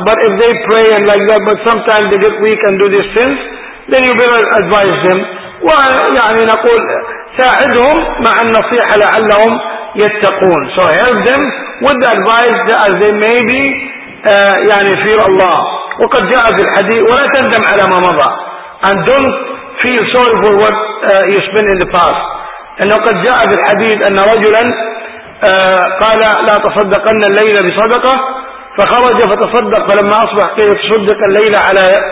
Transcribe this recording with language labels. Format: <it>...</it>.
<en>But if they pray and like that, but sometimes they get weak and do these things, then you better advise them.</en> <ar>ويعني نقول ساعدهم مع النصيحة لعلهم يتقون.</ar> <en>So help them with the advice that they may be يعني fear Allah.</en> <ar>وقد جاء في الحديث ولا تندم على ما مضى.</ar> <en>And don't feel sorry for what you spent in the past.</en> <ar>أنه قد جاء في الحديث أن رجلا قال لا تصدقن الليلة بصدقة فخرج فتصدق فلما أصبح قيل تصدق الليلة على</ar>